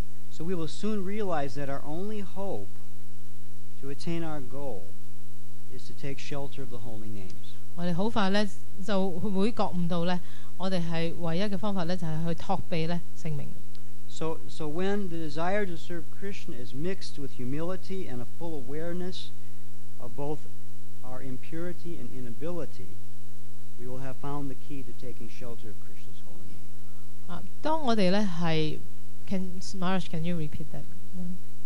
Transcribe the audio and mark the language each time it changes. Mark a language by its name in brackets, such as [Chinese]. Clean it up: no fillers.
[English] So we will soon realize that our only hope to attain our goal is to take shelter of the holy names. [Cantonese] 我哋好快咧就會覺悟到咧，我哋係唯一嘅方法咧就係去托庇咧聖名。 [English] So when the desire to serve Krishna is mixed with humility and a full awareness of both our impurity and inability, we will have found the key to taking shelter of Krishna's holy name. [Cantonese] 當我哋咧係 [English] ，can Maharaj, can you repeat that one?